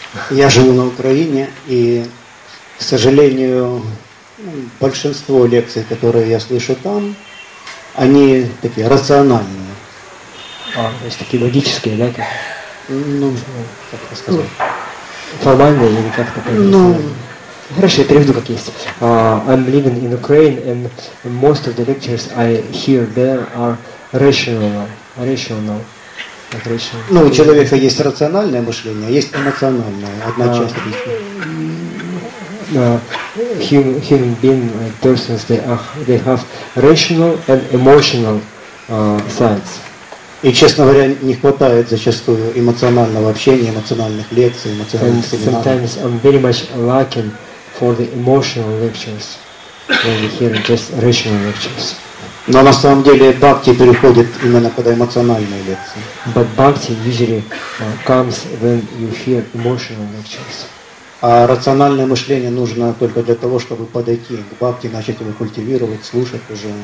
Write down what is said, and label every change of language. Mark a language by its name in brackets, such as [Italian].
[Russian] Я живу на Украине, и, к сожалению, большинство лекций, которые я слышу там, они такие рациональные. То есть такие логические, да? Как это сказать? Формальные или как-то Хорошо, я переведу как есть. [English] I'm living in Ukraine, and most of the lectures I hear there are rational. [Russian] Ну, у человека есть рациональное мышление, есть эмоциональное, одна часть личности. [English] Human being, persons, they have rational and emotional sides. [Russian] И, честно говоря, не хватает зачастую эмоционального общения, эмоциональных лекций, эмоциональных семинаров. [English] Sometimes I'm very much lacking for the emotional lectures, when we hear just rational lectures. [Russian] Но на самом деле бхакти переходит именно когда эмоциональные лекции. [English] But bhakti usually comes when you hear emotional lectures. [Russian] А рациональное мышление нужно только для того, чтобы подойти к бхакти, начать его культивировать, слушать уже.